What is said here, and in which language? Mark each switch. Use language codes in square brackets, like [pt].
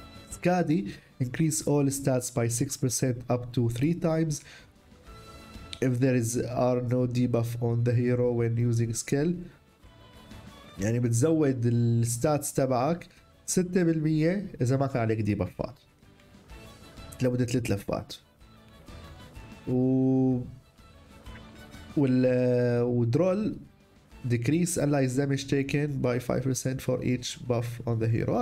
[en] سكادي increase all stats by 6% up to 3 times if there is are no debuff on the hero when using skill. [ar] يعني بتزود الستاتس تبعك 6% اذا ما كان عليك ديبافات لمدة 3 لفات. [en] ودرول decrease allies damage taken by 5% for each buff on the hero.